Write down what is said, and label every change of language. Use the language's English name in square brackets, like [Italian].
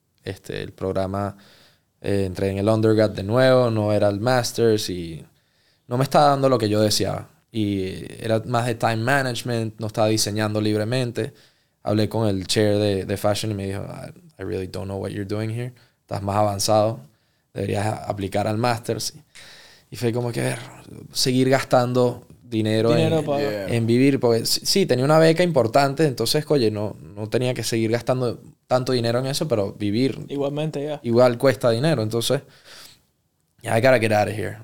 [Spanish] El programa, entré en el undergrad de nuevo, no era el master's y no me estaba dando lo que yo deseaba. Y era más de time management, no estaba diseñando libremente. Hablé con el chair de fashion y me dijo, [English] I really don't know what you're doing here. [Spanish] Estás más avanzado, deberías aplicar al master's. Y fue como que seguir gastando dinero en vivir, porque sí, tenía una beca importante, entonces, oye, no tenía que seguir gastando tanto dinero en eso, pero vivir igualmente, ya. Yeah. Igual cuesta dinero, entonces, [English] I gotta get out of here.